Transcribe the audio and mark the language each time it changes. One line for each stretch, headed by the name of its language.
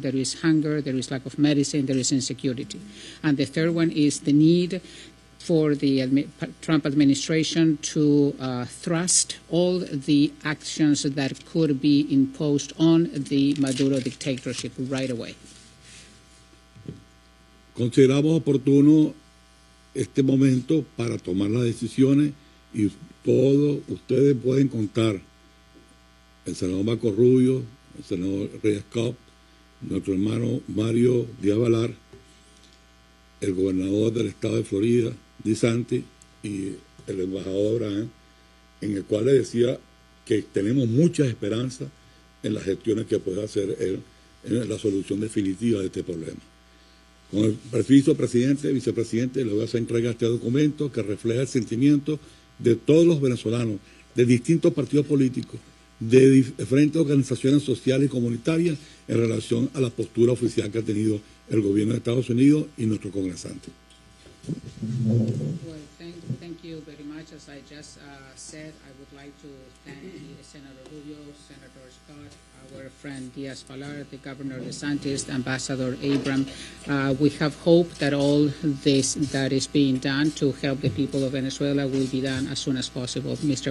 English: There is hunger, there is lack of medicine, there is insecurity. And the third one is the need for the Trump administration to thrust all the actions that could be imposed on the Maduro dictatorship right away.
Spanish: Consideramos oportuno este momento para tomar las decisiones y todos ustedes pueden contar, el senador Marco Rubio, el senador Reyes Cobb, nuestro hermano Mario Díaz-Balart, el gobernador del estado de Florida, Disanti, y el embajador Abraham, en el cual le decía que tenemos muchas esperanzas en las gestiones que puede hacer él en la solución definitiva de este problema. Con el permiso, presidente, vicepresidente, le voy a hacer entrega a este documento que refleja el sentimiento de todos los venezolanos, de distintos partidos políticos, de diferentes organizaciones sociales y comunitarias en relación a la postura oficial que ha tenido el gobierno de Estados Unidos y nuestro congresante.
English: Well, thank you very much. As I just said, I would like to thank Senator Rubio, Senator Scott, our friend Díaz-Balart, the Governor DeSantis, Ambassador Abram. We have hope that all this that is being done to help the people of Venezuela will be done as soon as possible. Mr.